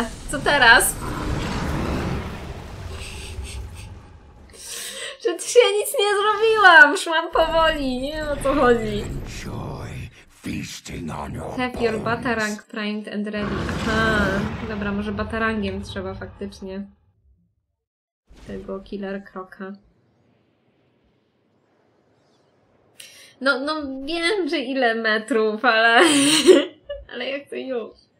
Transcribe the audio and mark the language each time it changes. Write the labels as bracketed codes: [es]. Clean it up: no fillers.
[pl] Co teraz? Że ty się nic nie zrobiłam! Szłam powoli! Nie wiem, o co chodzi. [en] Have your batarang primed and ready. [pl] Aha, dobra, może batarangiem trzeba faktycznie tego killer kroka. No, no wiem, że ile metrów, ale... ale jak to już?